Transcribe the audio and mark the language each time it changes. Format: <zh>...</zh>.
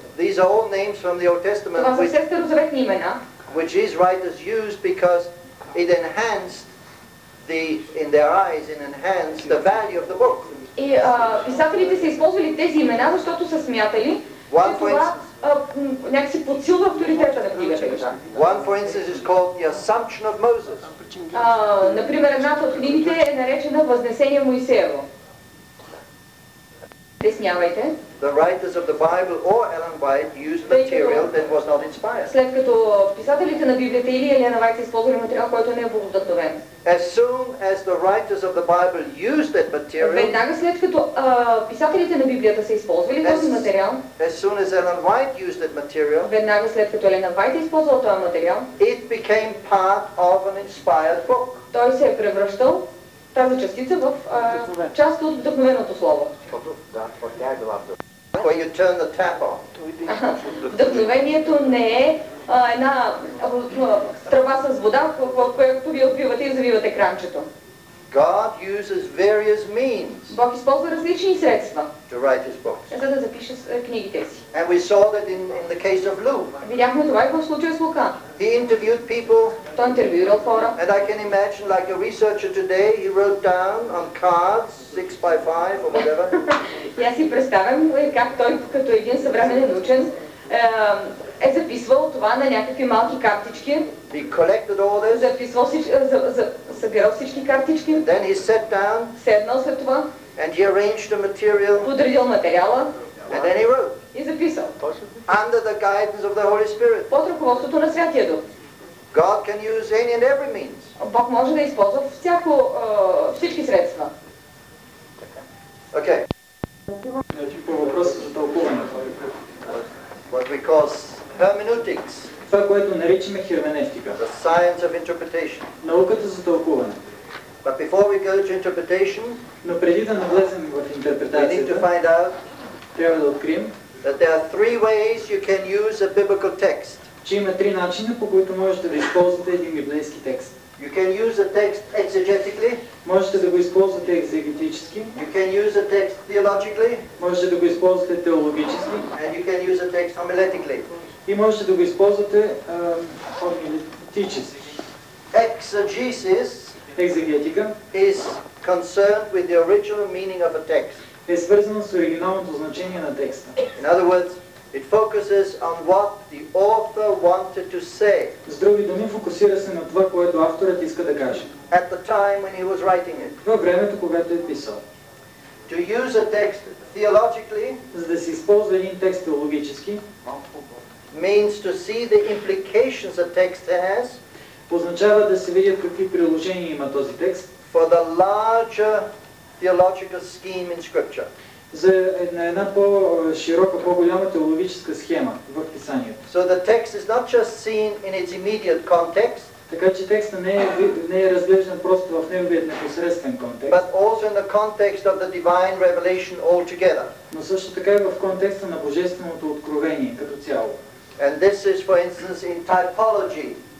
<en>These are all names from the Old Testament.</en> <bg>Това са все старозаветни имена.</bg> <en>Which these writers used because it enhanced in their eyes enhanced the value of the book.</en> <bg>И писателите са използвали тези имена, защото са смятали, че това някакси подсилва авторитета на книгата.</bg> <en>One, for instance, is called The Assumption of Moses.</en> <bg>Например, едната от книгите е наречена Възнесение Моисеево. Деснявайте.</bg> <en>The writers of the Bible or Ellen White used material that was not inspired.</en> <bg>След като писателите на Библията или Елена Вайт използвали материал, който не е богодъхновен.</bg> <en>As soon as the writers of the Bible used that material.</en> <bg>Веднага след като писателите на Библията са използвали този материал.</bg> <en>As soon as Ellen White used that material.</en> <bg>Веднага след като Елена Вайт използвала този материал.</bg> <en>It became part of an inspired book.</en> <bg>Той се е превръщал тази частица в част от вдъхновеното слово.</bg> <en>When you turn the tap on.</en> <bg>Вдъхновението не е една тръба с вода, която ви отбивате и завивате кранчето.</bg> <en>God uses various means.</en> <bg>Бог използва различни средства.</bg> <en>To write his books.</en> <bg>За да запише книгите си.</bg> <en>And we saw that in the case of Luke.</en> <bg>Видяхме това и в случая с Лука.</bg> <en>He interviewed people.</en> <bg>Той интервюирал хора.</bg> <en>And I can imagine like a researcher today, he wrote down on cards 6x5 or whatever.</en> <bg>И аз си представям как той като един съвременен учен е записвал това на някакви малки картички.</bg> <en>He collected all this.</en> <bg>Записвал събирал всички картички.</bg> <en>Then he sat down.</en> <bg>Седнал след това.</bg> <en>And he arranged the material.</en> <bg>Подредил материала.</bg> <en>And then he wrote.</en> <bg>И записал.</bg> <en>Under the guidance of the Holy Spirit.</en> <bg>Под ръководството на Святия Дух.</bg> <en>God can use any and every means.</en> <bg>Бог може да използва всяко всички средства.</bg> <en>Okay.</en> <bg>Значи по въпроса за тълкуване.</bg> <en>What we call hermeneutics.</en> <bg>Това, което наричаме херменевтика.</bg> <en>The science of interpretation.</en> <bg>Науката за тълкуване.</bg> <en>But before we go to interpretation,</en> <bg>но преди да навлезем в интерпретацията,</bg> <en>we need to find out,</en> <bg>трябва да открием,</bg> <en>that there are three ways you can use a biblical text.</en> <bg>Че има три начина, по които можете да използвате един библейски текст.</bg> <en>You can use the text exegetically.</en> <bg>Можете да го използвате екзегетически.</bg> <en>You can use the text theologically.</en> <bg>Можете да го използвате теологически.</bg> <en>And you can use the text homiletically.</en> <bg>И можете да го използвате хомилетически.</bg> <en>Exegesis,</en> <bg>екзегетика,</bg> <en>is concerned with the original meaning of a text.</en> <bg>Е свързано с оригиналното значение на текста.</bg> <en>In other words, it focuses on what the author wanted to say.</en> <bg>С други думи, фокусира се на това, което авторът иска да каже.</bg> <en>At the time when he was writing it.</en> <bg>Във времето, когато е писал.</bg> <en>To use a text theologically,</en> <bg>за да се използва един текст теологически,</bg> <en>means to see the implications a text has,</en> <bg>означава да се видят какви приложения има този текст,</bg> <en>for the larger theological scheme in scripture.</en> <bg>За една по-широка, по-голяма теологическа схема в писанието.</bg> <en>So the text is not just seen in its immediate context.</en> <bg>Така че текстът не е разглеждан просто в неговият непосредствен контекст.</bg> <en>But also in the context of the divine revelation altogether.</en> <bg>Но също така и в контекста на Божественото откровение като цяло.</bg> <en>And this is, for instance, in typology.</en>